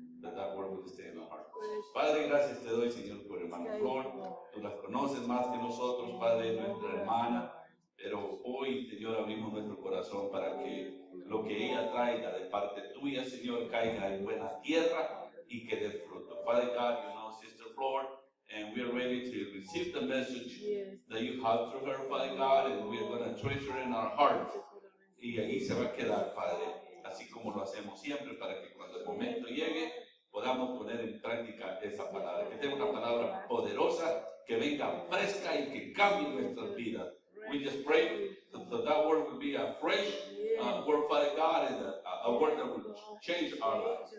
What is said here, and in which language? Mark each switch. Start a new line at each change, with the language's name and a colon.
English: That word will stay in our heart.
Spanish: Padre, gracias te doy, Señor, por hermana Flor. Tú las conoces más que nosotros, Padre, nuestra hermana. Pero hoy, Señor, abrimos nuestro corazón para que lo que ella traiga de parte tuya, Señor, caiga en buena tierra y que dé fruto.
English: Father God, you know, Sister Flor, and we are ready to receive the message that you have through her, Father God, and we are going to treasure it in our heart.
Spanish: Y ahí se va a quedar, Padre, así como lo hacemos siempre, para que cuando el momento llegue, podamos poner en práctica esa palabra, que tenga una palabra poderosa, que venga fresca y que cambie nuestras vidas.
English: We just pray that that word will be a fresh word, Father God, and a word that will change our lives.